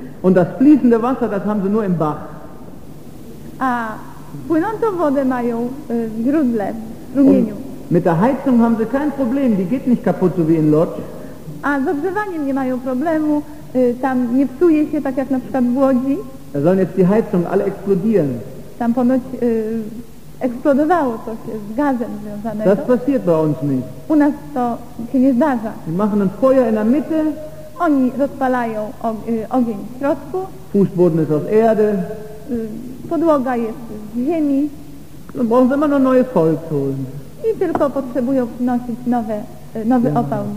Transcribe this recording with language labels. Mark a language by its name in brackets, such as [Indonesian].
[German] Und das fließende Wasser, das haben sie nur im Bach. [Polish] A płynącą wodę mają w źródle, w strumieniu. [German] Und mit der Heizung haben sie kein Problem, die geht nicht kaputt, so wie in Lodz. [Polish] A z ogrzewaniem nie mają problemu, tam nie psuje się, tak jak na przykład w Łodzi. [German] Da sollen jetzt die Heizung alle explodieren. [Polish] Tam ponoć eksplodowało coś z gazem związanego. [German] Das passiert bei uns nicht. [Polish] U nas to się nie zdarza. [German] Die machen ein Feuer in der Mitte. [Polish] Oni rozpalają ogień w środku. [German] Fußboden ist aus Erde. [Polish] Podłoga jest z ziemi. [German] No, brauchen sie immer noch neues Holz holen. [Polish] I tylko potrzebują wnosić nowy opał.